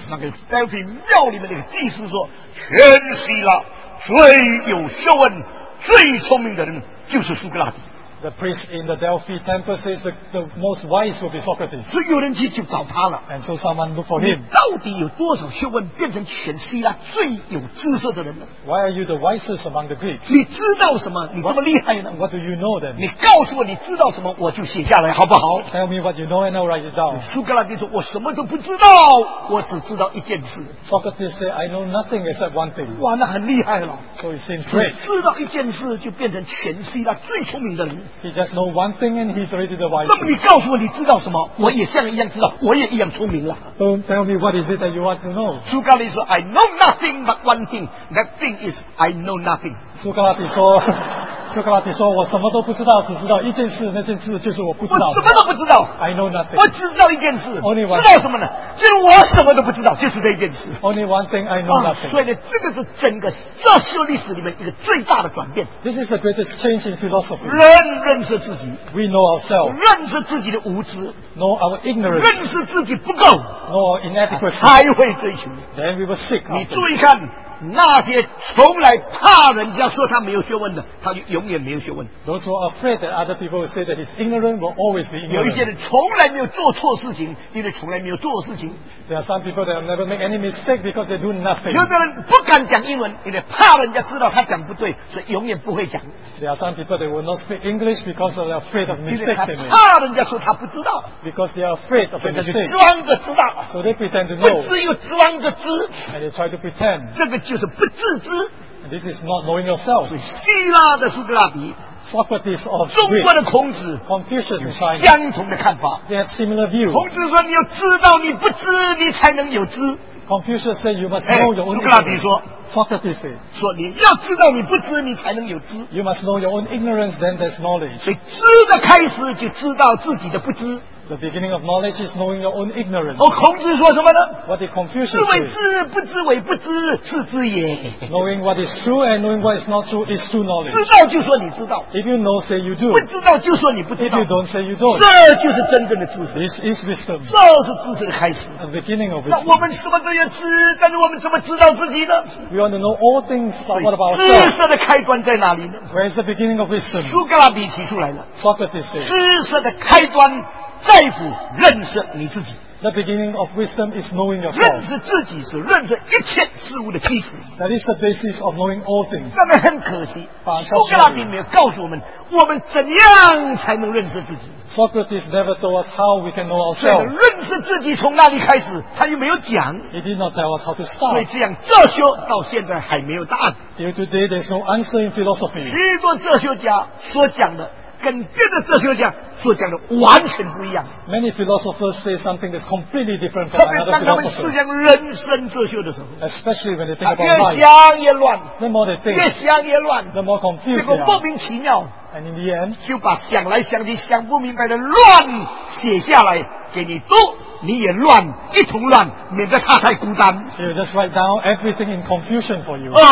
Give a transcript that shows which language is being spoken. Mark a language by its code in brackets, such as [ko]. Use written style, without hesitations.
[zh] 那个Belphi庙里面那个祭司说, 全希腊最有学问, 最聪明的人就是苏格拉底。 [en] The priest in the Delphi temple says that the most wise will be Socrates. [zh] 所以有人去找他了, [en] and so someone looked for him. [zh] 你到底有多少学问变成全希腊最有知识的人呢? [en] Why are you the wisest among the Greeks? [zh] 你知道什么?你这么厉害呢? [en] What do you know then? [zh] 你告诉我你知道什么, 我就写下来, 好不好? [en] Tell me what you know and I'll write it down. [zh] 苏格拉底说, 我什么都不知道, 我只知道一件事。 [en] Socrates said, I know nothing except one thing. [zh] 哇, 那很厉害了。 [en] So it seems great. [zh] 你知道一件事就变成全希腊最聪明的人。 [en] He just know one thing and he's already the wise. [zh] 那么你告诉我你知道什么?我也像一样知道, 我也一样聪明了。 [en] Don't tell me what is it that you want to know. [zh] 苏格拉底说, [en] I know nothing but one thing. That thing is, I know nothing. [zh] 苏格拉底说, 我什么都不知道, 只知道一件事, 那件事就是我不知道。我什么都不知道。 [en] I know nothing. [zh] 我只知道一件事。 [en] Only one. [zh] 知道什么呢? 就是我什么都不知道, 就是这一件事。 [en] Only one thing, I know nothing. [zh] 所以这个是整个哲学历史里面一个最大的转变。 [en] This is the greatest change in philosophy. [zh] 认识自己, [en] we know ourselves. [zh] 认识自己的无知, [en] know our ignorance. [zh] 认识自己不够, [en] know our inadequacy. [zh] 才会追求, [en] then we were sick. [zh] 你注意看, 那些从来怕人家说他没有学问的, 他就永远没有学问。 [en] Those who are afraid that other people will say that he's ignorant will always be ignorant. [zh] 有一些人从来没有做错事情, 因为从来没有做事情。 [en] There are some people that will never make any mistake because they do nothing. [zh] 有的人不敢讲英文, 因为怕人家知道他讲不对, 所以永远不会讲。 [en] There are some people that will not speak English because they are afraid of mistakes. [zh] 因为他怕人家说他不知道, [en] because they are afraid of mistakes. [zh] 所以他就装着知道, [en] so they pretend to know. [zh] 只有装着知, [en] and they try to pretend. [zh] 这个就是不自知。 [en] And this is not knowing yourself. [zh] 希腊的苏格拉底, [en] Socrates of Greece, [zh] 中国的孔子, [en] Confucius in China, [zh] 相同的看法, [en] they have similar views. [zh] 孔子说你要知道你不知, 你才能有知。 [en] Confucius said you must know your own ignorance. Socrates said, [zh] 说你要知道你不知, 你才能有知。 [en] You must know your own ignorance, then there's knowledge. [zh] 所以知的开始就知道自己的不知。 [en] The beginning of knowledge is knowing your own ignorance. [zh] 哦,孔子说什么呢? [en] What did Confucius say? [zh] 知为知,不知为不知,是知也。 [en] Knowing what is true and knowing what is not true is true knowledge. [zh] 知道就说你知道。 [en] If you know, say you do. [zh] 不知道就说你不知道。 [en] If you don't, say you don't. [zh] 这就是真正的知识。 [en] This is wisdom. [zh] 这是知识的开始。 [en] The beginning of wisdom. [zh] 那我们什么都要知, 但是我们怎么知道自己呢? [en] We want to know all things, but what about ourselves? [zh] 知识的开端在哪里呢? [en] Where is the beginning of wisdom? [zh] 苏格拉底提出来了。 [en] Socrates said, [zh] 知识的开端, 在乎认识你自己。 [en] The beginning of wisdom is knowing yourself. [zh] 认识自己是认识一切事物的基础。 [en] That is the basis of knowing all things. [zh] 那么很可惜, 苏格拉底没有告诉我们我们怎样才能认识自己。 [en] Socrates never told us how we can know ourselves. [zh] 认识自己从哪里开始, 他又没有讲。 [en] He did not tell us how to start. [zh] 所以这样哲学到现在还没有答案。 [en] Here today there is no answer in philosophy. [zh] 许多哲学家所讲的 跟别的哲学家所讲的完全不一样。 [en] Many philosophers say something that's completely different from another philosopher. [zh] 特别当他们思想人生哲学的时候, [en] especially when they think about life, [zh] 越想越乱, [en] the more they think, [zh] 越想越乱, [en] the more confused they are. [zh] 结果莫名其妙, [en] and in the end, [zh] 就把想来想去想不明白的乱写下来给你读, 你也乱, 一同乱, 免得他太孤单。 [en] He'll just write down everything in confusion for you.